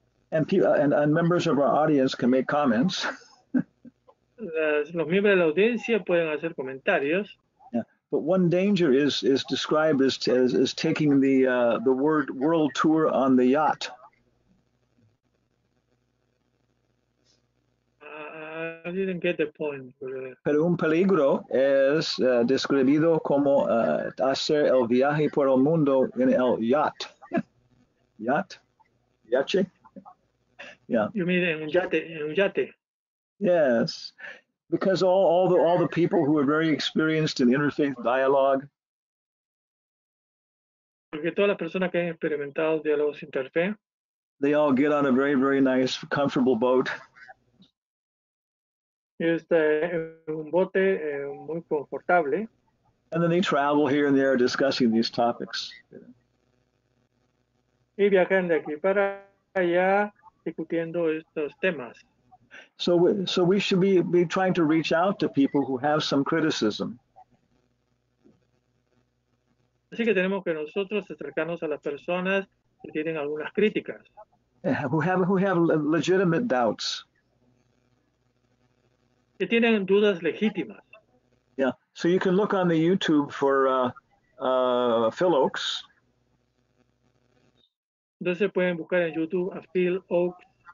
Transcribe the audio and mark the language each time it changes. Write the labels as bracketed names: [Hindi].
[English] And members of our audience can make comments. [Spanish] Los miembros de la audiencia pueden hacer comentarios. [English] But one danger is described as taking the word world tour on the yacht. I didn't get the point. [Spanish] Pero un peligro es describido como hacer el viaje por el mundo en el yacht. Yacht? Yache? [English] Yeah. You mean [Spanish] en un yate? [English] Yes. Because all the people who are very experienced in interfaith dialogue. [Spanish] Porque todas las personas que han experimentado diálogos interfe. [English] They all get on a very, very nice, comfortable boat. [Spanish] Este un bote muy confortable. [English] And then they travel here and there discussing these topics. [Spanish] Y viajan de aquí para allá discutiendo estos temas. [English] So we should be trying to reach out to people who have some criticism. [Spanish] Así que tenemos que nosotros acercarnos a las personas que tienen algunas críticas. [English] Who have legitimate doubts. [Spanish] Que tienen dudas legítimas. [English] Yeah, so you can look on the YouTube for Phil Oaks. [Spanish] Entonces pueden buscar en YouTube a Phil Oaks.